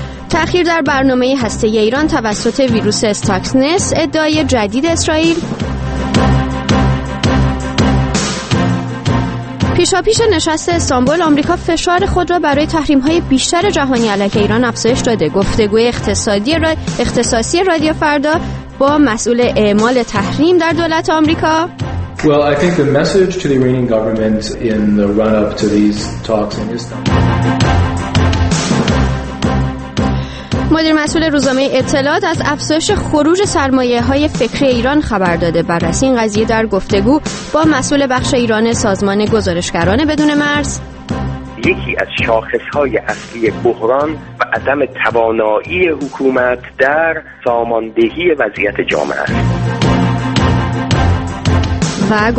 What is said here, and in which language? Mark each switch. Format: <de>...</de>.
<fa>تأخیر در برنامه هسته ایران توسط ویروس استاکسنس، ادعای جدید اسرائیل، پیشاپیش نشست استانبول آمریکا فشار خود را برای تحریم‌های بیشتر جهانی علیه ایران افزایش داده، گفتگوی اقتصادی اختصاصی رادیو فردا با مسئول اعمال تحریم در دولت آمریکا.</fa> <en>Well, I think the message to the Iranian government in the run-up to these talks in Istanbul.</en> <fa>مدیر مسئول روزنامه اطلاعات از افزایش خروج سرمایه‌های فکری ایران خبر داده. بررسی این قضیه در گفتگو با مسئول بخش ایران سازمان گزارشگران بدون مرز. یکی از شاخص‌های اصلی بحران و عدم توانایی حکومت در ساماندهی وضعیت جامعه است.</fa>